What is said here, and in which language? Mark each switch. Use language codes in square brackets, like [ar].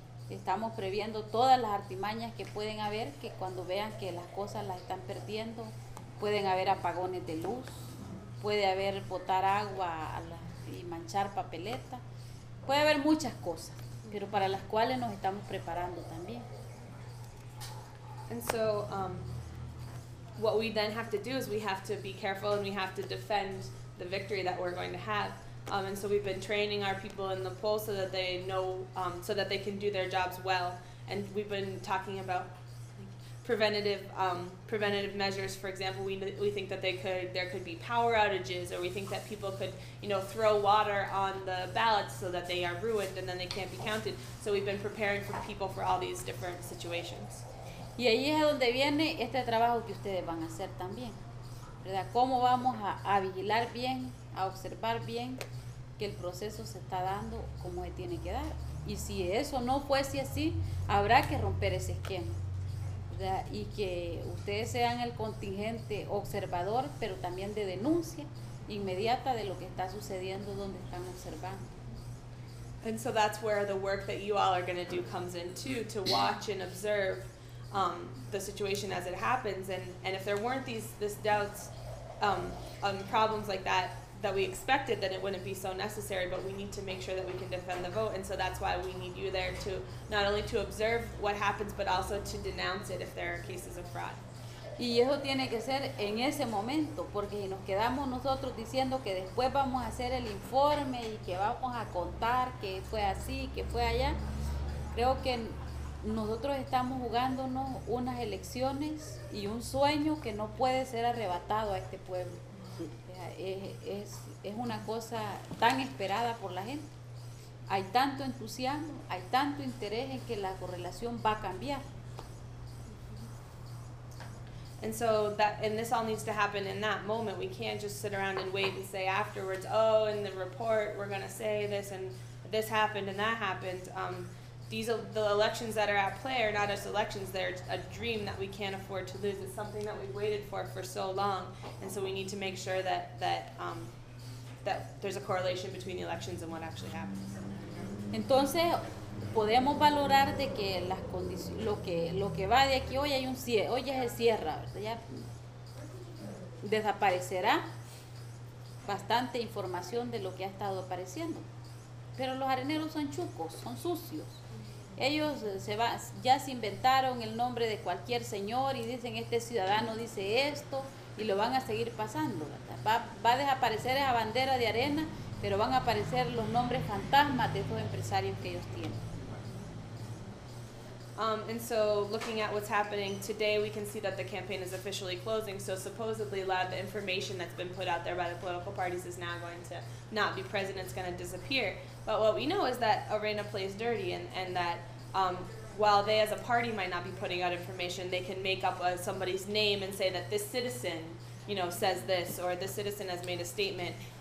[es] Estamos previendo todas las artimañas que pueden haber, que cuando vean que las cosas las están perdiendo, pueden haber apagones de luz, puede haber botar agua y manchar papeleta, puede haber muchas cosas, pero para las cuales nos estamos preparando también. [en] And so, what we then have to do is we have to be careful and we have to defend the victory that we're going to have. And so we've been training our people in the poll so that they know, so that they can do their jobs well. And we've been talking about preventative measures. For example, we think that there could be power outages, or we think that people could, you know, throw water on the ballots so that they are ruined and then they can't be counted. So we've been preparing for people for all these different situations. [es] Y ahí es donde viene este trabajo que ustedes van a hacer también, ¿verdad? ¿Cómo vamos a vigilar bien, a observar bien que el proceso se está dando como se tiene que dar? Y si eso no fuese así, habrá que romper ese esquema, ¿verdad? Y que ustedes sean el contingente observador, pero también de denuncia inmediata de lo que está sucediendo donde están observando. [en] And so that's where the work that you all are going to do comes in too, to watch and observe the situation as it happens, and if there weren't these doubts and problems like that we expected, then it wouldn't be so necessary, but we need to make sure that we can defend the vote, and so that's why we need you there to not only to observe what happens but also to denounce it if there are cases of fraud. [es] Y eso tiene que ser en ese momento, porque si nos quedamos nosotros diciendo que después vamos a hacer el informe y que vamos a contar que fue así, que fue allá, creo que nosotros estamos jugándonos unas elecciones y un sueño que no puede ser arrebatado a este pueblo. Es una cosa tan esperada por la gente. Hay tanto entusiasmo, hay tanto interés en que la correlación va a cambiar. [en] And so this all needs to happen in that moment. We can't just sit around and wait and say afterwards, oh, in the report we're going to say this and this happened and that happened. The elections that are at play are not just elections, they're a dream that we can't afford to lose. It's something that we've waited for so long, and so we need to make sure that there's a correlation between the elections and what actually happens. [es] Entonces, podemos valorar de que las condiciones, lo que va de aquí, hoy hay un cierre, hoy es el cierre, ya desaparecerá bastante información de lo que ha estado apareciendo. Pero los areneros son chucos, son sucios. Ellos ya se inventaron el nombre de cualquier señor y dicen este ciudadano dice esto y lo van a seguir pasando. Va a desaparecer esa bandera de arena, pero van a aparecer los nombres fantasmas de esos empresarios que ellos tienen. [en] And so looking at what's happening today, we can see that the campaign is officially closing. So supposedly a lot of the information that's been put out there by the political parties is now going to not be present. It's going to disappear. But what we know is that Arena plays dirty, and that while they as a party might not be putting out information, they can make up somebody's name and say that this citizen, you know, says this, or this citizen has made a statement.